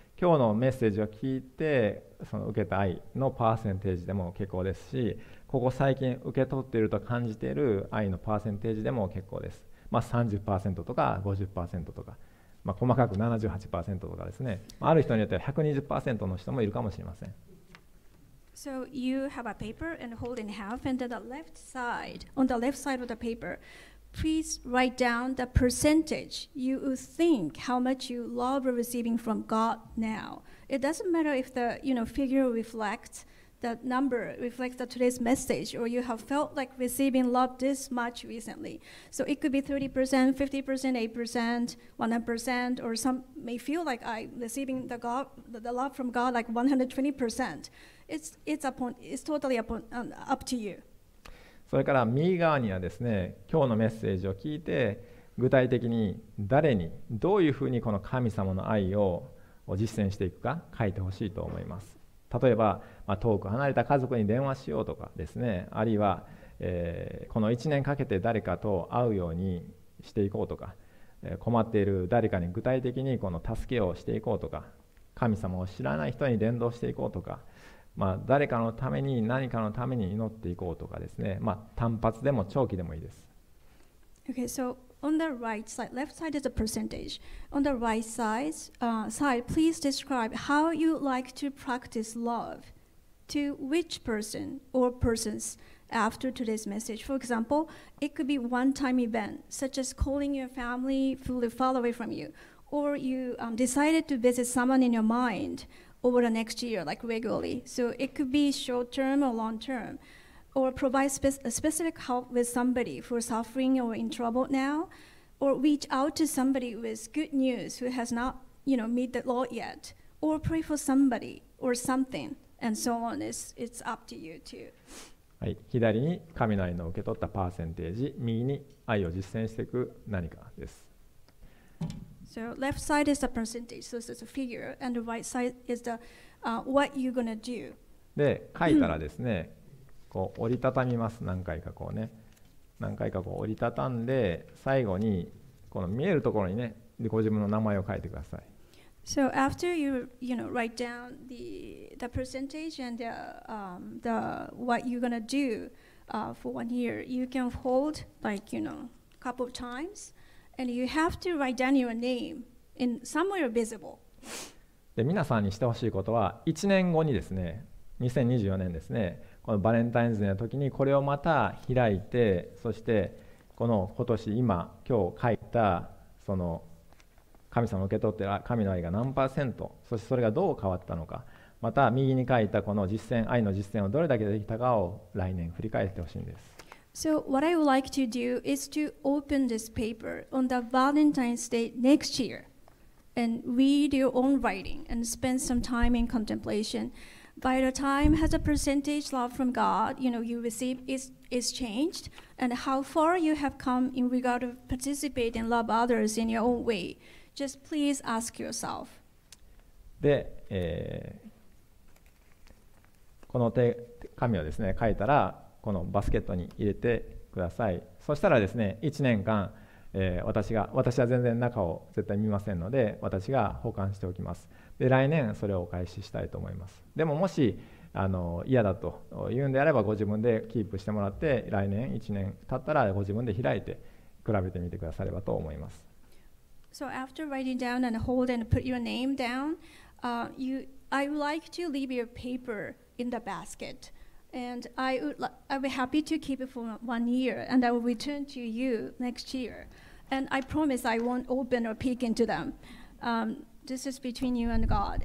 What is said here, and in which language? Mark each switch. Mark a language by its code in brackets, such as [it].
[ja] 今日のメッセージを聞いてその受けた愛のパーセンテージでも結構ですし、ここ最近受け取っていると感じている愛のパーセンテージでも結構です。まあ、30% とか 50% とか、まあ、細かく 78% とかですね。ある人によっては 120% の人もいるかもしれません。 [en] So you have a paper and hold in half, and on the left side, on the left side of the paper, please write down the percentage you think how much you love receiving from God now. It doesn't matter if the, you know, figure reflects the number, reflects the today's message, or you have felt like receiving love this much recently. So it could be 30%, 50%, 8%, 100%, or some may feel like I receiving the God, the love from God like 120%. It's totally up to you. [ja] それから右側にはですね、今日のメッセージを聞いて具体的に誰にどういうふうにこの神様の愛を実践していくか書いてほしいと思います。例えば、まあ、遠く離れた家族に電話しようとかですね、あるいは、この1年かけて誰かと会うようにしていこうとか、困っている誰かに具体的にこの助けをしていこうとか、神様を知らない人に伝道していこうとか、まあ、誰かのために何かのために祈っていこうとかですね、まあ、単発でも長期でもいいです。 [en] Okay, so on the right side, left side is a percentage. On the right side, side, please describe how you like to practice love to which person or persons after today's message. For example, it could be one-time event, such as calling your family fully far away from you, or you decided to visit someone in your mind. Over the next year, like regularly. So it could be short term or long term, or provide specific help with somebody who is suffering or in trouble now, or reach out to somebody with good news who has not, you know, met the Lord yet, or pray for somebody or something, and so on. It's up to you too. [ja] はい、左に神の愛の受け取ったパーセンテージ、右に愛を実践していく何かです。 [en] So left side is the percentage, so it's a figure, and the right side is the what you're gonna do. [ja] で、書いたらですね、こう折りたたみます。何回かこうね、何回かこう折りたたんで、最後にこの見えるところにね、ご自分の名前を書いてください。 [en] So after you know write down the percentage and the what you're gonna do for 1 year, you can hold like you know couple of times. And you have to write down your name in somewhere visible. [ja] で、皆さんにしてほしいことは、1年後にですね、2024年ですね、このバレンタインズの時にこれをまた開いて、そしてこの今年今今日書いたその神様を受け取っている神の愛が何パーセント、そしてそれがどう変わったのか、また右に書いたこの実践愛の実践をどれだけできたかを来年振り返ってほしいんです。 [en] So what I would like to do is to open this paper on the Valentine's Day next year and read your own writing and spend some time in contemplation. By the time has a percentage love from God, you know, you receive is changed and how far you have come in regard to participate and love others in your own way. Just please ask yourself. [ja] で、この紙をですね、書いたらこのバスケットに入れてください。そしたらですね、1年間、私は全然中を絶対見ませんので、私が保管しておきます。で、来年それをお返ししたいと思います。でも、もし嫌だと言うんであれば、ご自分でキープしてもらって、来年1年経ったらご自分で開いて比べてみてくださればと思います。 [en] So after writing down and hold and put your name down, I would like to leave your paper in the basketAnd I'll be happy to keep it for 1 year, and I will return to you next year. And I promise I won't open or peek into them. This is between you and God.